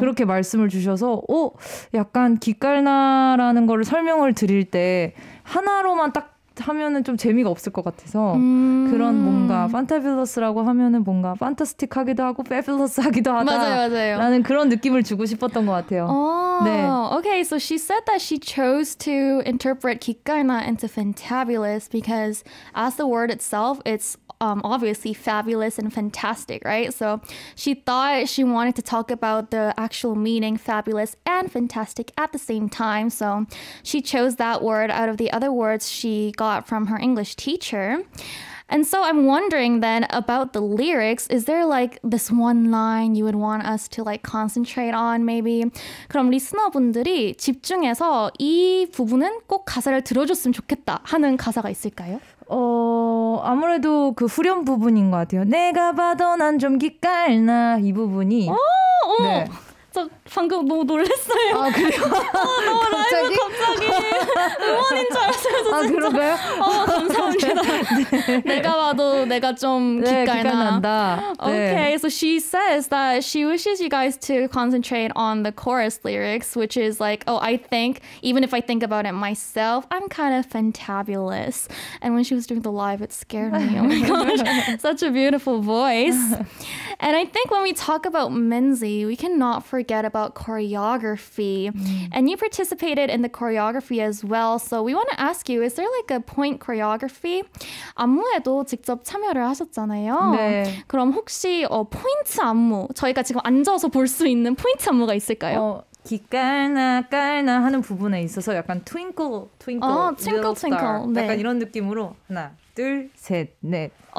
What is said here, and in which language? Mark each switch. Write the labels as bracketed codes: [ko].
[ko] 그렇게 말씀을 주셔서 어? 약간 기깔나라는 거를 설명을 드릴 때 하나로만 딱 하면은 좀 재미가 없을 것 같아서 그런 뭔가 판타빌러스라고 하면은 뭔가 판타스틱하기도 하고 페빌러스하기도 하다 맞아요, 맞아요. 라는 그런 느낌을 주고 싶었던 것 같아요. Oh, 네. [en] Okay, so she said that she chose to interpret 기깔나 into fantabulous because as the word itself, it's obviously fabulous and fantastic, right? So she thought she wanted to talk about the actual meaning fabulous and fantastic at the same time. So she chose that word out of the other words she got from her English teacher. And so I'm wondering then about the lyrics. Is there like this one line you would want us to like concentrate on maybe? [ko] 그럼 리스너분들이 집중해서 이 부분은 꼭 가사를 들어줬으면 좋겠다 하는 가사가 있을까요? 어 아무래도 그 후렴 부분인 것 같아요. 내가 봐도 난 좀 기깔나 이 부분이. 오! 오! 네. 저 방금 너무 놀랐어요. 아 그래요? 아, 너무 갑자기? 라이브 갑자기 응원인 줄 알았어요. 저 진짜. 아 그런가요? 아 감사합니다. 네, 네. 내가 봐도 내가 좀 기깔나. 네, 기깔난다. 네. [en] Okay, so she says that she wishes you guys to concentrate on the chorus lyrics, which is like, oh, I think, even if I think about it myself, I'm kind of fantabulous. And when she was doing the live, it scared me. Oh my gosh, such a beautiful voice. And I think when we talk about Minzy, we cannot forget about choreography. And you participated in the choreography as well. So we want to ask you, is there like a point choreography? [ko] 안무에도 직접 참여를 하셨잖아요. 네. 그럼 혹시 포인트 안무, 저희가 지금 앉아서 볼 수 있는 포인트 안무가 있을까요? 기깔나 깔나 하는 부분에 있어서 약간 트윙클 트윙클 트윙클 트윙클 약간 이런 느낌으로 하나 둘 셋 넷